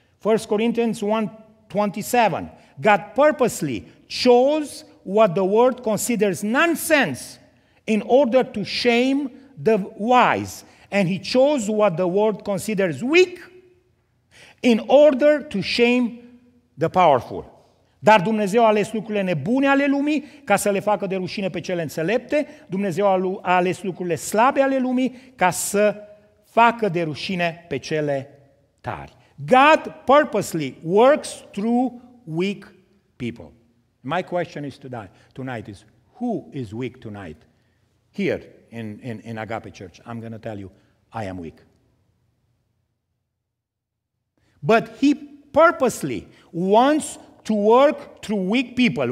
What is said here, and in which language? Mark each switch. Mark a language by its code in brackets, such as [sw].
[en] 1 Corinthians 1:27. God purposely chose what the world considers nonsense in order to shame the wise. And he chose what the world considers weak in order to shame the powerful. [ro] Dar Dumnezeu a ales lucrurile nebune ale lumii ca să le facă de rușine pe cele înțelepte. Dumnezeu a ales lucrurile slabe ale lumii ca să facă de rușine pe cele tari. [en] God purposely works through weak people. My question is tonight is, who is weak tonight? Here in Agape Church, I'm going to tell you, I am weak. But he purposely wants to work through weak people.